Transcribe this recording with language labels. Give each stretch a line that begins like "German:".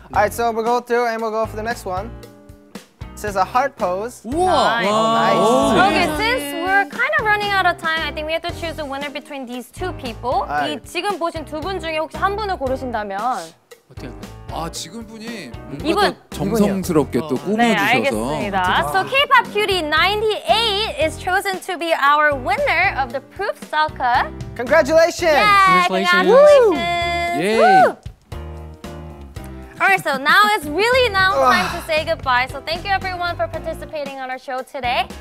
English: Alright, so we'll go through and we'll go for the next one. It says a heart pose. 우와. Nice. Okay, since we're kind of running out of time, I think we have to choose a winner between these two people.
Korean: 이 지금 보신 두 분 중에 혹시 한 분을 고르신다면 어떻게 아, 지금 분이 뭔가 이분. 또 정성스럽게 또 꾸며주셔서 네, 알겠습니다. 그쵸?
English: So K-pop cutie 98 is chosen to be our winner of the Proof Selka. Congratulations! Yeah, congratulations! Yay! Woo! Alright, so now it's really now time to say goodbye. So thank you everyone for participating on our show today.